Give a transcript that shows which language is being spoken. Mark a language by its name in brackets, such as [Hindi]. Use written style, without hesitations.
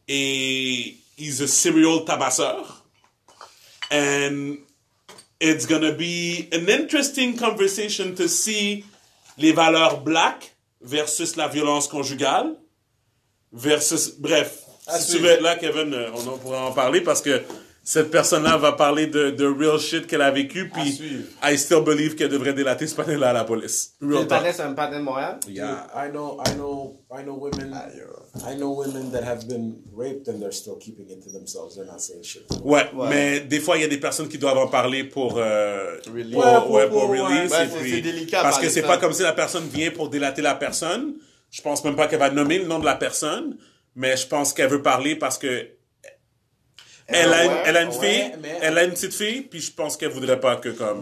[English] Et he's a serial tabasseur. And it's gonna be an interesting conversation to see [French] les valeurs black versus la violence conjugale [English] versus... [French] Bref, si tu veux être là, Kevin, on pourra en parler parce que cette personne-là va parler de [English] real shit [French] qu'elle a vécu, puis [English] I still believe [French] qu'elle devrait délater ce panel-là à la police. [English] Real talk. [French] C'est un panel de Montréal? [English] Yeah. I know women. I know women that have been raped and they're still keeping it to themselves. They're not saying shit. [French] Ouais, mais des fois, il y a des personnes qui doivent en parler pour... [English] Release. [French] Ouais, puis, c'est délicat. Parce que c'est pas comme si la personne vient pour délater la personne. Je pense même pas qu'elle va nommer le nom de la personne, mais je pense qu'elle veut parler parce que Elle a une petite fille, puis je pense qu'elle voudrait pas que comme.